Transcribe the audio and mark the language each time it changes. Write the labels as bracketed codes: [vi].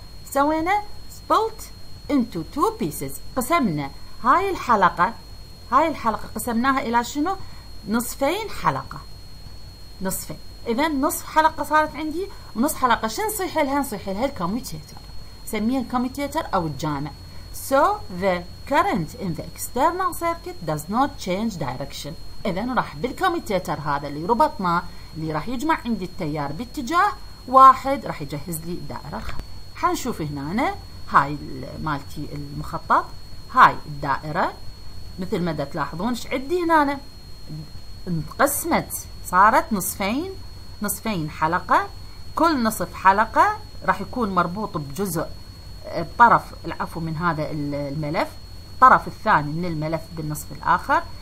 [ar] سوينا [en] split into two pieces, [ar] قسمنا هاي الحلقة، هاي الحلقة قسمناها إلى شنو؟ نصفين حلقة، نصفين. إذا نصف حلقة صارت عندي ونصف حلقة شو نصيح لها؟ نصيح لها الكوميتيتر، سميها الكوميتيتر أو الجامع. [en] So the current in the external circuit does not change direction. [ar] إذا راح بالكوميتيتر هذا اللي ربطناه اللي راح يجمع عندي التيار باتجاه واحد، راح يجهز لي الدائرة. حنشوف هنا أنا هاي مالتي المخطط، هاي الدائرة مثل ما تلاحظون ايش عندي هنا؟ انقسمت، صارت نصفين، نصفين حلقة، كل نصف حلقة راح يكون مربوط بجزء الطرف، العفو، من هذا الملف، الطرف الثاني من الملف بالنصف الاخر.